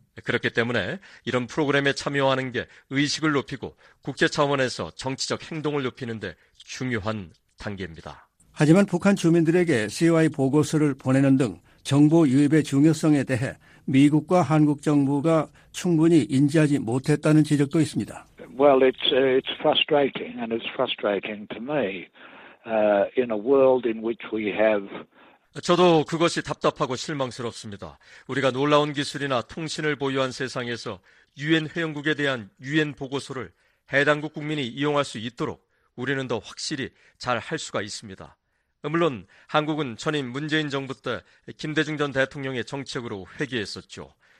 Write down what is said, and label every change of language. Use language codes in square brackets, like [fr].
[ko] 그렇기 때문에 이런 프로그램에 참여하는 게 의식을 높이고 국제 차원에서 정치적 행동을 높이는 데 중요한 단계입니다. 하지만 북한 주민들에게 COI 보고서를 보내는 등 정보 유입의 중요성에 대해 미국과 한국 정부가 충분히 인지하지 못했다는 지적도 있습니다. [en] Well, it's frustrating and it's frustrating to me. In a world in which we have [ko] 저도 그것이 답답하고 실망스럽습니다. 우리가 놀라운 기술이나 통신을 보유한 세상에서 유엔 회원국에 대한 유엔 보고서를 해당국 국민이 이용할 수 있도록 우리는 더 확실히 잘 할 수가 있습니다. 물론 한국은 전임 문재인 정부 때 김대중 전 대통령의 정책으로 회귀했었죠.